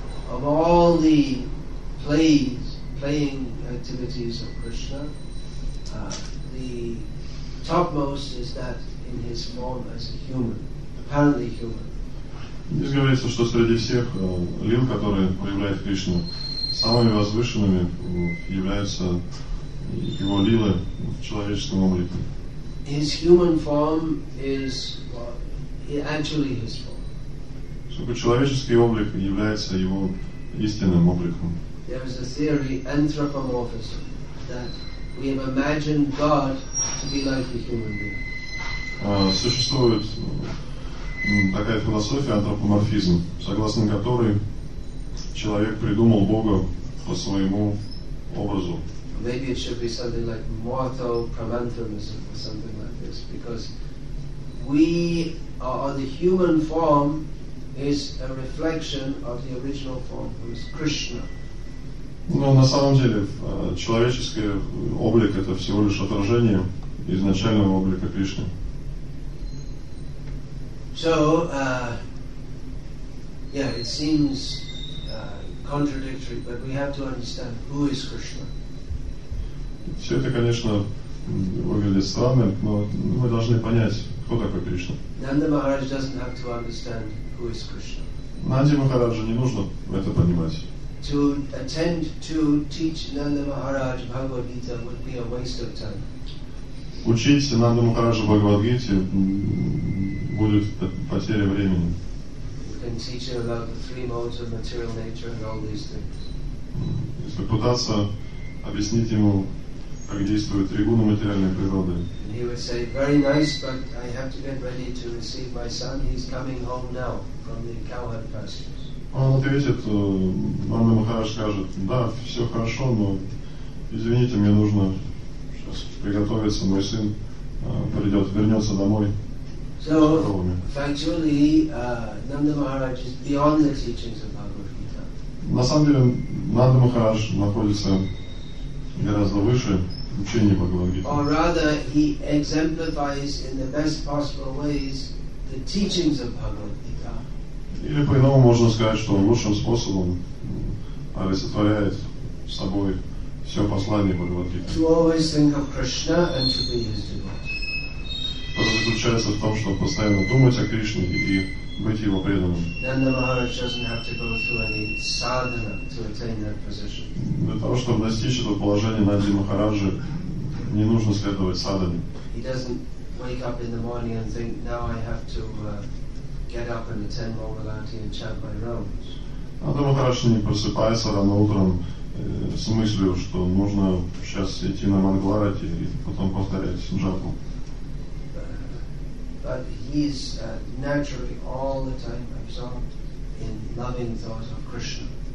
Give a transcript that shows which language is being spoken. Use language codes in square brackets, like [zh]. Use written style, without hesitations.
[en] Of all the playing activities of Krishna, the topmost is that in his form as a human, apparently human. [ru] Здесь говорится, что среди всех лил, которые проявляет Кришна, самыми возвышенными являются его лилы в человеческом облике. [en] His human form is, well, actually his form. [ru] Чтобы человеческий облик является его истинным обликом. [en] There is a theory, anthropomorphism, that we have imagined God to be like a human being. [ru] Существует такая философия антропоморфизм, согласно которой человек придумал Бога по своему образу. [en] Maybe it should be something like mortal paranthropism or something like this, because we are the human form is a reflection of the original form, who is Krishna. [ru] Но на самом деле человеческий облик это всего лишь отражение изначального облика Кришны. [en] So, yeah, it seems contradictory, but we have to understand who is Krishna. [ru] Все это, конечно, выглядит странно, но мы должны понять, кто такой Кришна. [en] Nanda Maharaj doesn't have to understand who is Krishna. [ru] Нанде Махараджу не нужно это понимать. [en] To attend to teach Nanda Maharaj Bhagavad Gita would be a waste of time. [ru] Учить Нанда Махараджу Бхагавад Гите будет потеря времени. [en] You can teach him about the three modes of material nature and all these things. [ru] Если пытаться объяснить ему, как действуют три гуны материальной природы. [en] And he would say, very nice, but I have to get ready to receive my son. He's coming home now from the cowherd pastures. [ru] Он ответит, Нанда Махарадж скажет, да, все хорошо, но извините, мне нужно сейчас приготовиться, мой сын вернется домой. [en] So, factually, Nanda Maharaj is beyond the teachings of Bhagavad Gita. [ru] На самом деле, Нанда Махарадж находится гораздо выше учения Бхагавад Гиты. [en] Or rather, he exemplifies in the best possible ways the teachings of Bhagavad Gita. [ru] Или по-иному можно сказать, что он лучшим способом олицетворяет собой все послание Бхагавад Гиты. [en] To always think of Krishna and to be his devotee. [ru] Это заключается в том, чтобы постоянно думать о Кришне и быть его преданным. [en] Nanda Maharaj doesn't have to go through any sadhana to attain that position. [ru] Для того, чтобы достичь этого положения, Нанди Махараджи не нужно следовать садхане. [en] He doesn't wake up in the morning and think, now I have to get up and attend Mogalanti and chant my rounds. [ru] Нанди Махараджи не просыпается рано утром с мыслью, что нужно сейчас идти на Мангаларати и потом повторять джапу. [en] But he's naturally all the time absorbed in loving thoughts of Krishna.